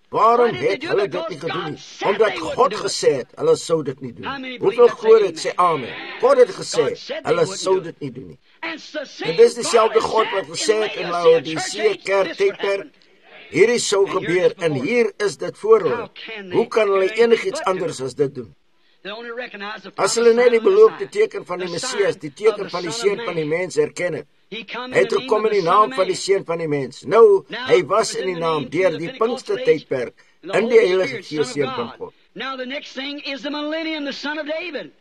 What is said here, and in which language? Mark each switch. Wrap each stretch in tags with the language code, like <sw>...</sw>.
<af>Waarom het hulle dit nie gedoen nie? Omdat God gesê het, hulle sou dit nie doen. Hoeveel gehoor het sê amen? God het gesê, hulle sou dit nie doen nie. En dit is dieselfde God wat gesê het in Laodicea kerk tydperk, hierdie sou gebeur en hier is dit voor hulle. Hoe kan hulle enigiets anders as dit doen? As hulle net die beloofde teken van die Messias, die teken van die Seun van die mens herken het, hy het gekom in die naam van die Seun van die mens. Nou, hy was in die naam deur die Pinkste tydperk in die Heilige Gees Seun van God.</af> <en>Now the next thing is the millennium, the son of David.</en>